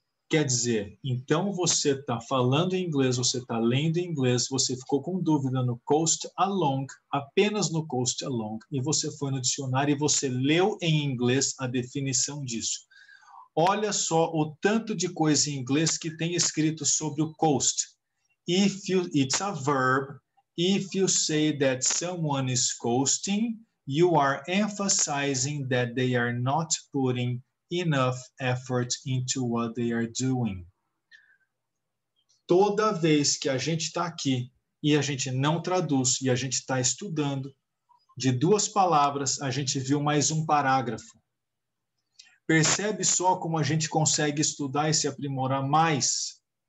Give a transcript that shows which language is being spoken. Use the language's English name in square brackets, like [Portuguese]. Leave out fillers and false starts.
[Portuguese] Quer dizer, então você está falando em inglês, você está lendo em inglês, você ficou com dúvida no coast along, apenas no coast along, e você foi no dicionário e você leu em inglês a definição disso. Olha só o tanto de coisa em inglês que tem escrito sobre o coast. [English] If you, it's a verb. If you say that someone is coasting, you are emphasizing that they are not putting enough effort into what they are doing. [Portuguese] Toda vez que a gente está aqui e a gente não traduz e a gente está estudando, de duas palavras, a gente viu mais um parágrafo. Percebe só como a gente consegue estudar e se aprimorar mais?